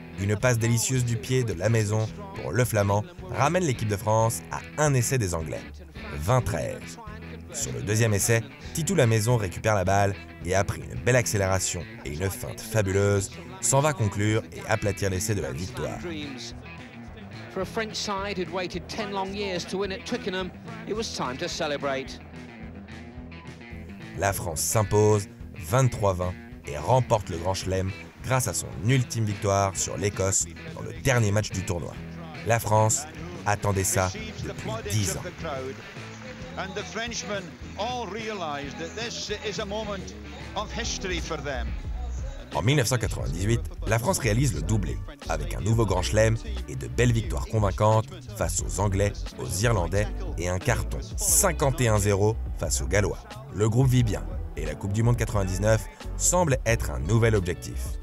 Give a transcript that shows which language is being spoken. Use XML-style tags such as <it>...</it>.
<fr>Une passe délicieuse du pied de Lamaison pour le Flamand ramène l'équipe de France à un essai des Anglais, 20-13. Sur le deuxième essai, Titou Lamaison récupère la balle et après une belle accélération et une feinte fabuleuse, s'en va conclure et aplatir l'essai de la victoire.</fr> <en>For a French side who'd waited 10 long years to win at Twickenham, it was time to celebrate.</en> <fr>La France s'impose 23-20 et remporte le Grand Chelem grâce à son ultime victoire sur l'Écosse dans le dernier match du tournoi. La France attendait ça depuis 10 ans.</fr> <en>And the Frenchmen all realized that this is a moment of history for them.</en> <fr>En 1998, la France réalise le doublé, avec un nouveau grand chelem et de belles victoires convaincantes face aux Anglais, aux Irlandais et un carton 51-0 face aux Gallois. Le groupe vit bien et la Coupe du Monde 99 semble être un nouvel objectif.</fr>